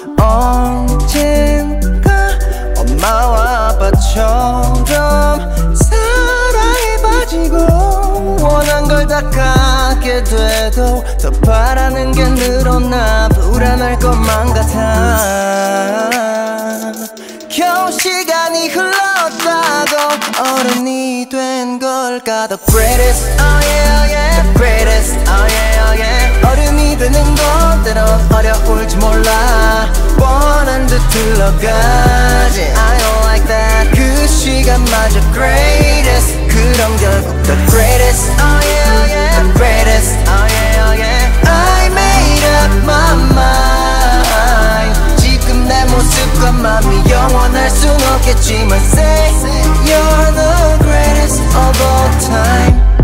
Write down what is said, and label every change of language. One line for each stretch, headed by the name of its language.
Korean: 언젠가 엄마와 아빠처럼 사랑에 빠지고 원한 걸 다 갖게 돼도 더 바라는 게 늘어나 불안할 것만 같아. 겨우 시간이 흘렀다고 어른이 된 걸까.
English: The greatest, oh yeah, oh yeah. The greatest, oh yeah, oh yeah.
Korean: 어른이 되는 것대로 어려울지 몰라 뻔한 듯 흘러가지.
English: I don't like that.
Korean: 그 시간마저
English: greatest.
Korean: 그럼 결국
English: the greatest, oh yeah, oh yeah. The greatest, oh yeah, oh yeah. I made up my mind.
Korean: 지금 내 모습과 마음이 영원할 순 없겠지만
English: say you're the greatest of all time.